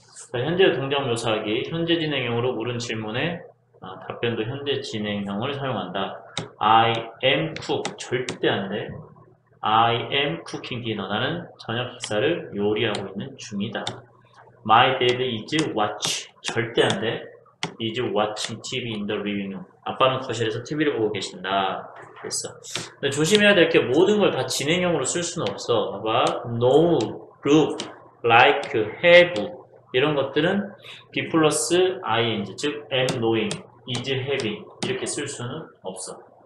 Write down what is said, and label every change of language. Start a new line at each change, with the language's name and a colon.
Korean: 자, 현재 동작 묘사하기. 현재 진행형으로 물은 질문에 답변도 현재 진행형을 사용한다.
English: I am cook.
Korean: 절대 안 돼.
English: I am cooking dinner.
Korean: 나는 저녁 식사를 요리하고 있는 중이다.
English: My dad is watch.
Korean: 절대 안 돼.
English: Is watching TV in the living room.
Korean: 아빠는 거실에서 TV를 보고 계신다. 됐어. 근데 조심해야 될게 모든 걸다 진행형으로 쓸 수는 없어. 봐봐. No, look, like, have. 이런 것들은 be 플러스 ing. 즉, am knowing, is having. 이렇게 쓸 수는 없어.